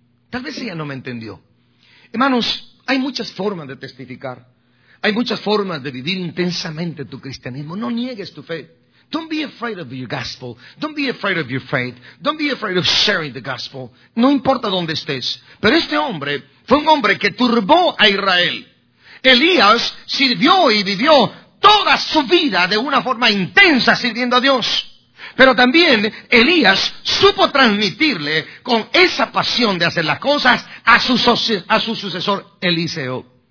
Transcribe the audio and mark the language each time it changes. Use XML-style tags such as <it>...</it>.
<es>Tal vez ella no me entendió. Hermanos, hay muchas formas de testificar. Hay muchas formas de vivir intensamente tu cristianismo. No niegues tu fe.</es> <en>Don't be afraid of your gospel. Don't be afraid of your faith. Don't be afraid of sharing the gospel.</en> <es>No importa dónde estés. Pero este hombre fue un hombre que turbó a Israel. Elías sirvió y vivió toda su vida de una forma intensa sirviendo a Dios. Pero también Elías supo transmitirle con esa pasión de hacer las cosas a su sucesor Eliseo.</es>